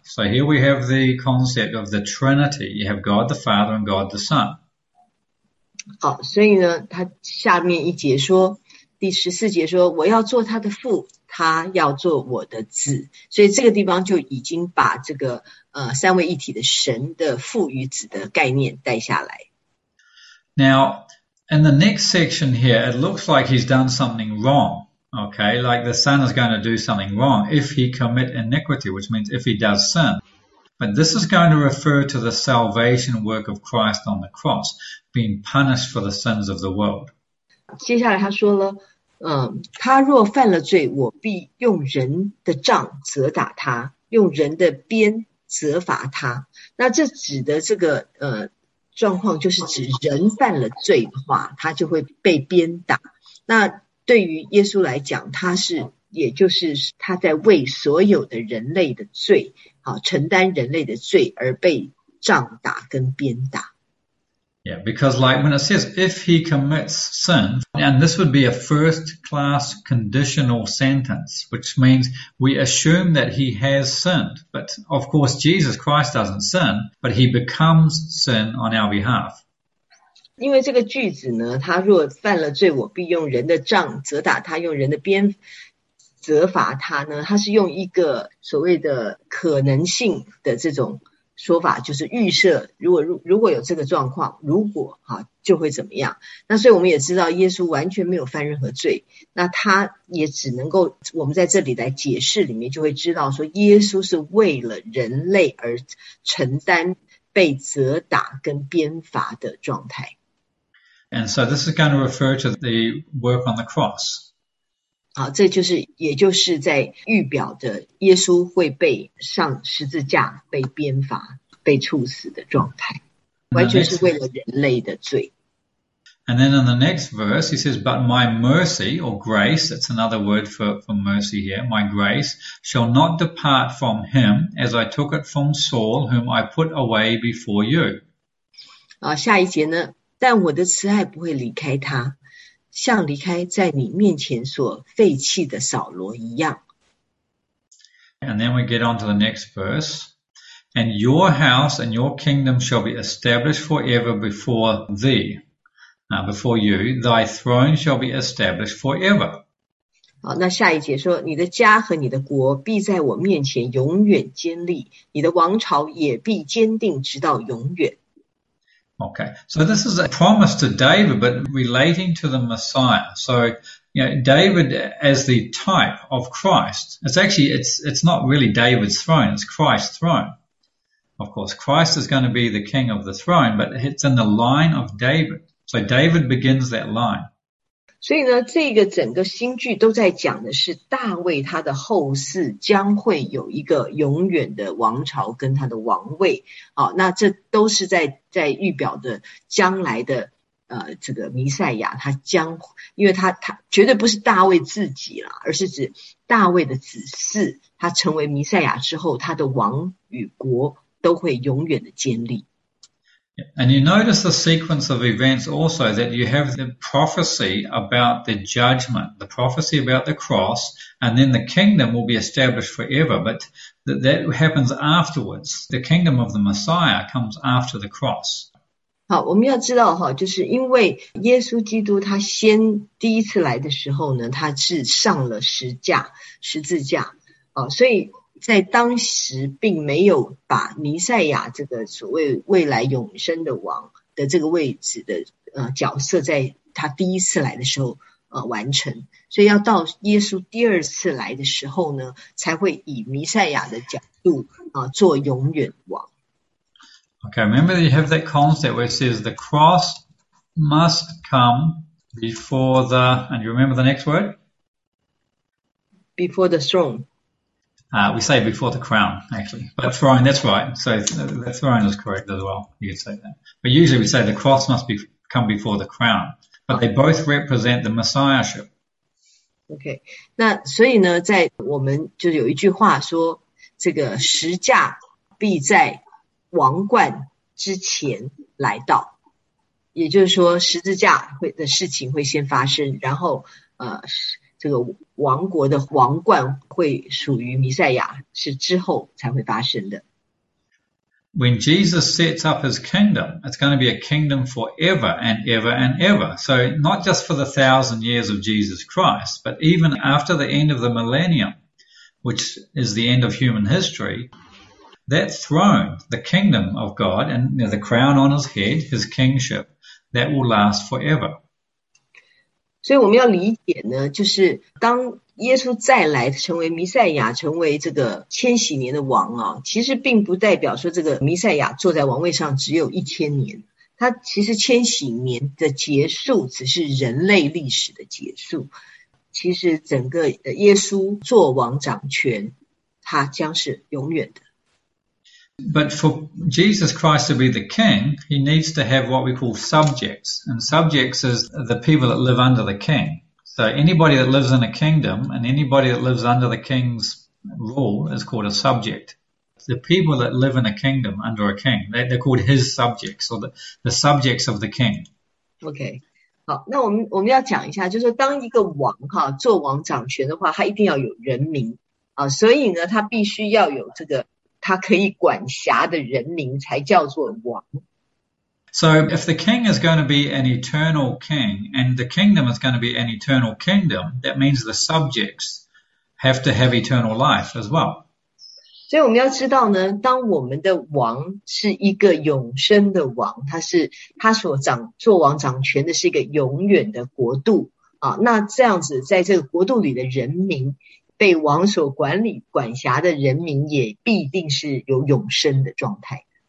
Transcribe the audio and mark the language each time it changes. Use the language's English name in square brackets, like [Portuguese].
[English] So here we have the concept of the Trinity. You have God the Father and God the Son. [Chinese] 好，所以呢，他下面一节说，第十四节说，我要做他的父，他要做我的子。所以这个地方就已经把这个三位一体的神的父与子的概念带下来。 [English] Now, in the next section here, it looks like he's done something wrong, okay? Like the son is going to do something wrong if he commit iniquity, which means if he does sin. But this is going to refer to the salvation work of Christ on the cross, being punished for the sins of the world. [Chinese] 接下来他说了，他若犯了罪，我必用人的杖责打他，用人的鞭责罚他。那这指的这个状况就是指人犯了罪的话，他就会被鞭打。那对于耶稣来讲，他是也就是他在为所有的人类的罪，承担人类的罪而被杖打跟鞭打。 [English] Yeah, because like when it says if he commits sin, and this would be a first class conditional sentence, which means we assume that he has sinned. But of course, Jesus Christ doesn't sin, but he becomes sin on our behalf. [Chinese] 因为这个句子呢，他若犯了罪，我必用人的杖责打他，用人的鞭责罚他呢，他是用一个所谓的可能性的这种说法，就是预设如果有这个状况，如果哈、啊、就会怎么样。那所以我们也知道耶稣完全没有犯任何罪，那他也只能够，我们在这里来解释里面就会知道说，耶稣是为了人类而承担被责打跟鞭罚的状态。 [English] And so this is going to refer to the work on the cross. [Chinese] 好，这就是也就是在预表的耶稣会被上十字架、被鞭罚、被处死的状态，完全是为了人类的罪。 [English] And then in the next verse, he says, "But my mercy or grace, that's another word for mercy here, my grace shall not depart from him as I took it from Saul, whom I put away before you." [Chinese] 下一节呢，但我的慈爱不会离开他，像离开在你面前所废弃的扫罗一样。 [English] And then we get on to the next verse. And your house and your kingdom shall be established forever before thee. Now, before you, thy throne shall be established forever. [Chinese] 好，那下一节说，你的家和你的国必在我面前永远坚立，你的王朝也必坚定直到永远。 [English] Okay, so this is a promise to David, but relating to the Messiah. So, you know, David as the type of Christ. It's not really David's throne, it's Christ's throne. Of course, Christ is going to be the king of the throne, but it's in the line of David. So David begins that line. [Chinese] 所以呢，这个整个新句都在讲的是大卫他的后嗣将会有一个永远的王朝跟他的王位。好，那这都是在预表的将来的这个弥赛亚，他将，因为他绝对不是大卫自己啦，而是指大卫的子嗣，他成为弥赛亚之后，他的王与国都会永远的坚立。 [English] And you notice the sequence of events also that you have the prophecy about the judgment, the prophecy about the cross, and then the kingdom will be established forever, but that happens afterwards. The kingdom of the Messiah comes after the cross. [Chinese] 好，我们要知道哈，就是因为耶稣基督他先第一次来的时候呢，他是上了十字架，哦，所以在当时并没有把弥赛亚这个所谓未来永生的王的这个位置的角色在他第一次来的时候完成，所以要到耶稣第二次来的时候呢，才会以弥赛亚的角度做永远王。 [English] Okay, remember that you have that concept where it says the cross must come before the, and you remember the next word? Before the throne. We say before the crown, actually. But throne, that's right. So the throne is correct as well. You could say that. But usually we say the cross must be, come before the crown. But they both represent the messiahship. Okay. [Chinese] 那所以呢，在我们就有一句话说，这个十架必在王冠之前来到。也就是说，十字架的事情会先发生，然后这个王国的王冠会属于弥赛亚，是之后才会发生的。 [English] When Jesus sets up his kingdom, it's going to be a kingdom forever and ever and ever. So not just for the 1,000 years of Jesus Christ, but even after the end of the millennium, which is the end of human history, that throne, the kingdom of God, and you know, the crown on his head, his kingship, that will last forever. [Chinese] 所以我们要理解呢，就是当耶稣再来成为弥赛亚，成为这个千禧年的王啊，其实并不代表说这个弥赛亚坐在王位上只有一千年，他其实千禧年的结束只是人类历史的结束，其实整个耶稣做王掌权，他将是永远的。 [English] But for Jesus Christ to be the king, he needs to have what we call subjects. And subjects is the people that live under the king. So anybody that lives in a kingdom and anybody that lives under the king's rule is called a subject. the people that live in a kingdom under a king, they're called his subjects, or the subjects of the king. Okay. [Chinese] 好，那我们要讲一下，就是当一个王哈做王掌权的话，他一定要有人民啊，所以呢，他必须要有这个他可以管辖的人民才叫做王。 [English] So if the king is going to be an eternal king and the kingdom is going to be an eternal kingdom, that means the subjects have to have eternal life as well. [Chinese] 所以我们要知道呢，当我们的王是一个永生的王，他所掌权的是一个永远的国度啊，那这样子在这个国度里的人民，被王所管理管辖的人民也必定是有永生的状态。